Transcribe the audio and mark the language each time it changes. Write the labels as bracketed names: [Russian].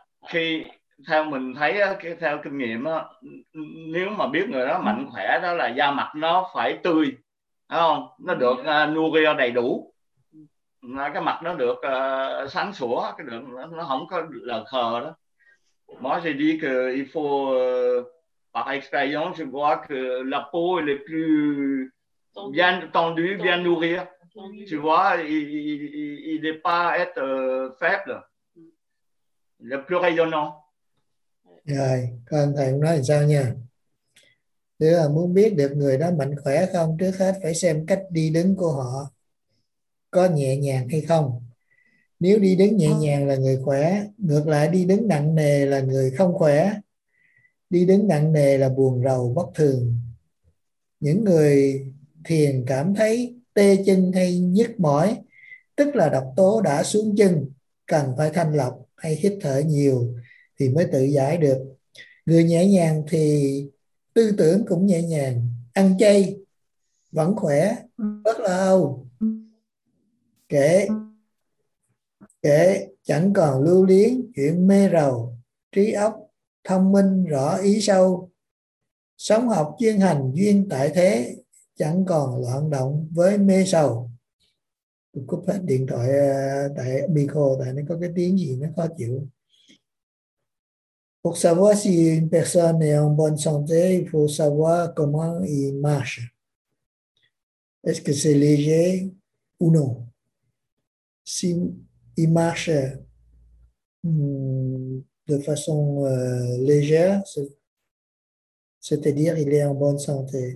[Vietnamese] Khi theo mình thấy theo kinh nghiệm nếu mà biết người đó mạnh khỏe đó là da mặt nó phải tươi, phải không? Nó được nuôi đầy đủ, cái mặt nó được sáng sủa, cái được nó không có lờ khờ đó. [French] Moi j'ai dit que il faut par expérience je vois que la peau est le plus bien tendue, bien nourrie. Tu vois, il n'est pas être faible, le plus rayonnant. [Vietnamese] Rồi, con thầy cũng nói là sao nha. Nếu là muốn biết được người đó mạnh khỏe không, trước hết phải xem cách đi đứng của họ có nhẹ nhàng hay không. Nếu đi đứng nhẹ nhàng là người khỏe, ngược lại đi đứng nặng nề là người không khỏe. Đi đứng nặng nề là buồn rầu bất thường. Những người thiền cảm thấy tê chân hay nhức mỏi, tức là độc tố đã xuống chân, cần phải thanh lọc hay hít thở nhiều thì mới tự giải được. Người nhẹ nhàng thì tư tưởng cũng nhẹ nhàng, ăn chay vẫn khỏe, bớt lo âu, kể chẳng còn lưu luyến chuyện mê rầu, trí óc thông minh rõ ý sâu, sống học chuyên hành duyên tại thế, chẳng còn loạn động với mê sầu. Tôi cúp hết điện thoại tại micro tại nó có cái tiếng gì nó khó chịu. [French] Pour savoir si une personne est en bonne santé, il faut savoir comment il marche. Est-ce que c'est léger ou non? Si il marche de façon légère, c'est-à-dire il est en bonne santé.